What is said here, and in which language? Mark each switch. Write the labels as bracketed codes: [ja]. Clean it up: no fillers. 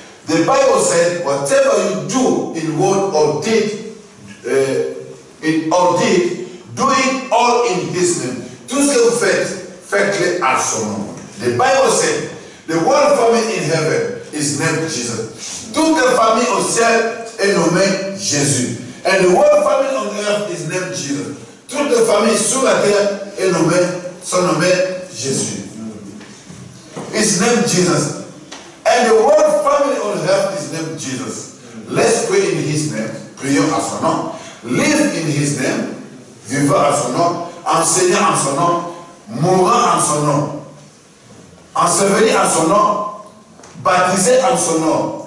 [en] The Bible said, whatever you do in word or deed, do it all in His name. [fr] Tout ce que vous faites, faites-le à son nom. [en] The Bible said, the one family in heaven is named Jesus. [fr] Toute la famille au ciel est nommée Jésus. [en] And the one family on earth is named Jesus. [fr] Toute la famille sur la terre est nommée, sont nommées Jésus. [en] It's named Jesus. And the whole family on earth is named Jesus. Let's pray in His name. [fr] Prions à son nom. [en] Live in His name. [fr] Vivons à son nom. Enseignons à son nom. Mourons à son nom. Ensevelis à son nom. Baptisés à son nom.